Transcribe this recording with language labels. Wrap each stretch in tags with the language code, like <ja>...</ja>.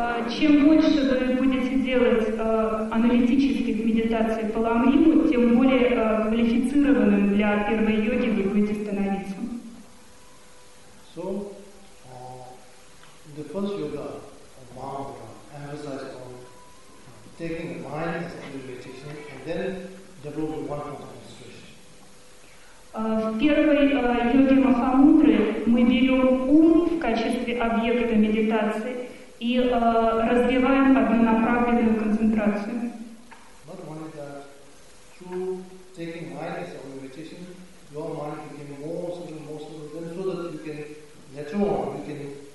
<ru>Чем больше вы будете делать аналитических медитаций по ламриму, тем более квалифицированным для первой йоги вы будете становиться.</ru> <en>So, the first yoga, mantra, emphasized on taking the mind as a meditation and then developing one form of concentration.</en> <ru>В первой йоге Махамудры мы берем ум в качестве объекта медитации и развиваем однонаправленную концентрацию.</ru> <en>Not only that, through taking mind as a meditation, your mind became more subtle, more subtle, then so that you can, later on, you can</en>